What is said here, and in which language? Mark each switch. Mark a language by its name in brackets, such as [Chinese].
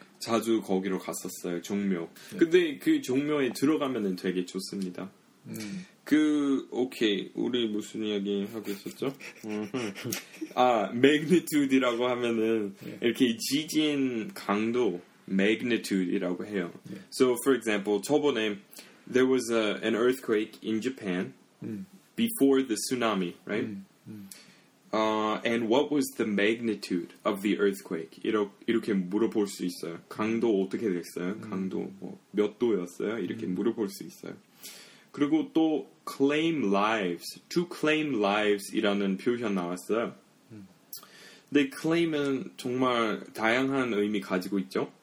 [Korean] 자주 거기로 갔었어요, 종묘. 네. 근데 그 종묘에 들어가면은 되게 좋습니다. 그, 오케이. 우리 무슨 이야기 하고 있었죠? 아, 매그니튜드라고 하면은, 네. 이렇게 지진 강도, 매그니튜드라고 해요. 네. [English] So, for example, [Korean] 저번에, [English] there was an earthquake in Japan before the tsunami, right? And what was the magnitude of the earthquake? [Korean] 이렇게 물어볼 수 있어요. 강도 어떻게 됐어요? 강도 뭐 몇 도였어요? 이렇게 물어볼 수 있어요. 그리고 또 [English] claim lives, to claim lives [Korean] 이라는 표현 나왔어요. 근데 claim은 정말 다양한 의미 가지고 있죠.